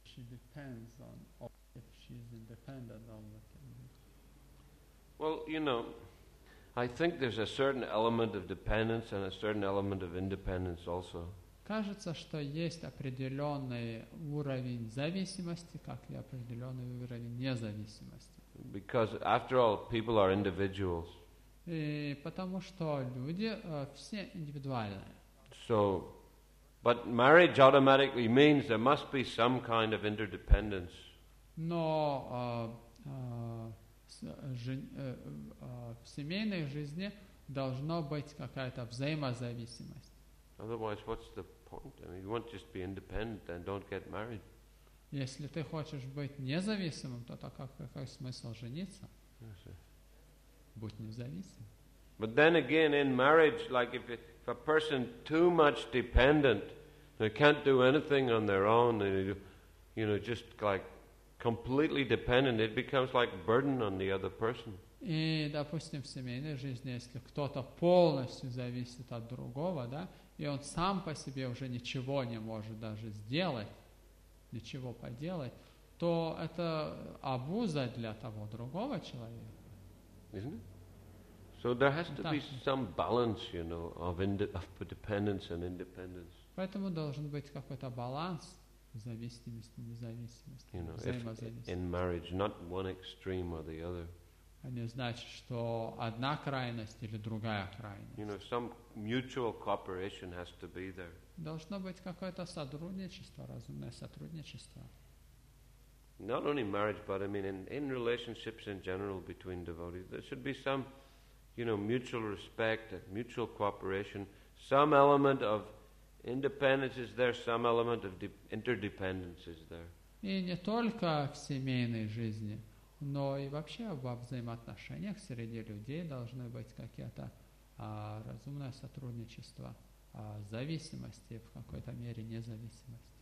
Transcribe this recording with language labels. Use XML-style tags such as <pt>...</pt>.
<en>Depends on if she's independent on what can be. Well, you know, I think there's a certain element of dependence and a certain element of independence also.</en> <ru>Кажется, что есть определенный уровень зависимости, как и определенный уровень независимости.</ru> <en>Because after all, people are individuals.</en> <ru>И потому что люди все индивидуальные.</ru> <en>So, but marriage automatically means there must be some kind of interdependence.</en> <ru>Но в семейной жизни должно быть какая-то взаимозависимость.</ru> <en>Otherwise, what's the point? I mean, you won't just be independent and don't get married.</en> <ru>Если ты хочешь быть независимым, то так какой смысл жениться?</ru> <en>Yes,</en> <ru>будь независим.</ru> <en>But then again, in marriage, like if a person too much dependent, they can't do anything on their own, and you know, just like completely dependent, it becomes like burden on the other person.</en> <ru>И, допустим, в семейной жизни, если кто-то полностью зависит от другого, да, и он сам по себе уже ничего не может даже сделать, ничего поделать, то это обуза для того другого человека.</ru> <en>So there has to be some balance, you know, of dependence and independence.</en> <ru>Поэтому должен быть какой-то баланс. Зависимость, независимость, взаимозависимость.</ru> <en>In marriage, not one extreme or the other.</en> <ru>Не значит, что одна крайность или другая крайность.</ru> <en>You know, some mutual cooperation has to be there.</en> <ru>Должно быть какое-то сотрудничество, разумное сотрудничество.</ru> <en>Not only marriage, but I mean in relationships in general between devotees, there should be some, you know, mutual respect, mutual cooperation, some element of independence is there, some element of interdependence is there.</en> <ru>И не только в семейной жизни, но и вообще во взаимоотношениях среди людей должны быть какие-то разумное сотрудничество, зависимости в какой-то мере независимости.</ru>